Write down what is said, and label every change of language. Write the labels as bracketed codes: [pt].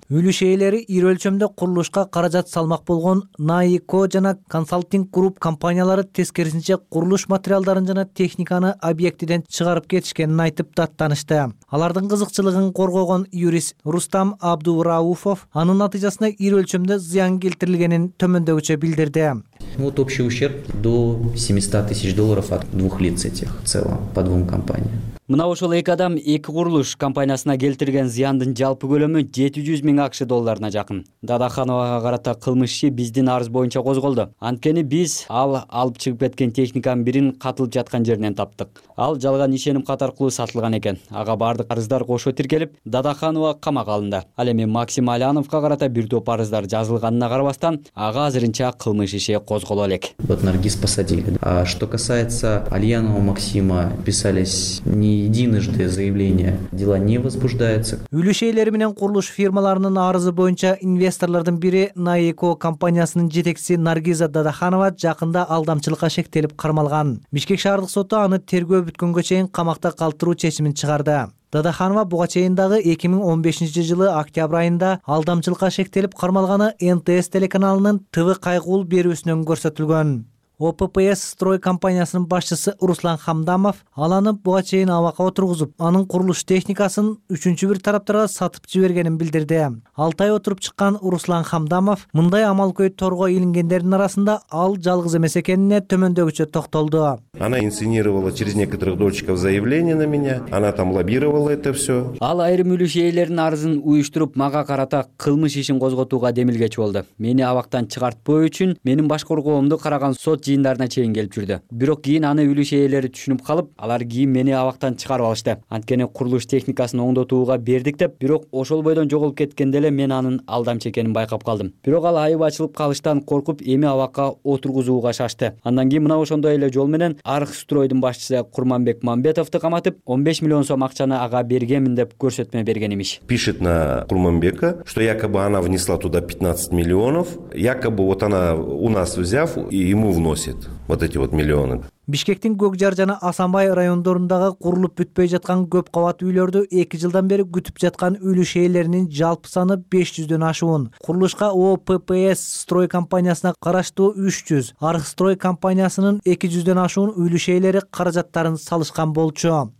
[ky] Үлүш ээлери ири өлчөмдө курулушка каражат салмак болгон Наико жана Консалтинг Групп компаниялары тескерисинче курулуш материалдарын жана техниканы объектиден чыгарып кетишкенин айтып даттанышты. Алардын кызыкчылыгын коргогон юрист Рустам Абдурауфов анын натыйжасында ири өлчөмдө зыян келтирилгенин төмөндөгүчө билдирди. [ru] Вот общий ущерб до 700 тысяч долларов от двух лиц этих в целом по двум компаниям. [ky] Мына ошол эки адам эки курулуш компаниясына келтирген зыяндын жалпы көлөмү 700 миң АКШ долларына жакын. Дадахановага карата кылмыш иши биздин арыз боюнча козголду. Анткени биз ал алып чыгып кеткен техниканын бирин катылып жаткан жеринен таптык. Ал жалган ишеним кат аркылуу сатылган экен. Ага бардык арыздар кошо тиркелип, Дадаханова камак алынды. Ал эми Максим Аляновго карата бир топ арыздар жазылганына карабастан, ага азырынча кылмыш иши козголду. козголо элек. [ru] Вот Наргиз посадили. А что касается Альянова Максима, писались не единожды заявления. Дела не возбуждаются. [ky] Үлүшөйлөр менен курулуш фирмаларынын арызы боюнча инвесторлордун бири Наеко компаниясынын жетекчиси Наргиза Дадаханова жакында алдамчылыкка шектелип кармалган. Бишкек шаардык соту аны тергөө бүткөнгө чейин камакта калтыруу чечимин чыгарды. Дадаханова буга чейиндагы 2015 жылы октябрь айында алдамчылыкка шектелип кармалганы НТС телеканалынын ТВ кайгуул берүүсүнөн көрсөтүлгөн. ОППС строй компаниясынын башчысы Руслан Хамдамов аланы буга чейин абакка отургузуп, анын курулуш техникасын үчүнчү бир тараптарга сатып жибергенин билдирди. 6 ай отуруп чыккан Руслан Хамдамов мындай амалкөй торго илингендердин арасында ал жалгыз эмес экенине төмөндөгүчө токтолду. [ru] Она инсценировала через некоторых дольщиков заявление на меня. Она там лоббировала это все. [ky] Ал айрым үлүшөйлөрдүн арызын уюштуруп, мага карата кылмыш ишин козготууга демилгеч болду. Мени абактан чыгартпоо үчүн менин баш коргоомду караган сот жыйындарына чейин келип жүрдү. Бирок кийин аны үлүшөйлөрү түшүнүп калып, алар кийин мени абактан чыгарып алышты. Анткени курулуш техникасын оңдотууга бердик деп, бирок ошол бойдон жоголуп кеткенде эле мен анын алдамчы экенин байкап калдым. Бирок ал айып ачылып калыштан коркуп, эми абакка отургузууга шашты. Андан кийин мына ошондой эле жол менен Архстройдун башчысы Курманбек Мамбетовду каматып, 15 миллион сом акчаны ага бергенмин деп көрсөтмө берген имиш. [ru] Пишет на Курманбека, что якобы она внесла туда 15 миллионов, якобы вот она у нас взяв и ему вносит вот эти вот миллионы. [ky] Бишкектин Көк Жар жана Асанбай райондорундагы курулуп бүтпөй жаткан көп кабаттуу үйлөрдү 2 жылдан бери күтүп жаткан үлүшөйлөрүнүн жалпы саны 500дөн ашуун. Курулушка ОППС строй компаниясына караштуу 300, Архстрой компаниясынын 200дөн ашуун үлүшөйлөрү каражаттарын салышкан болчу.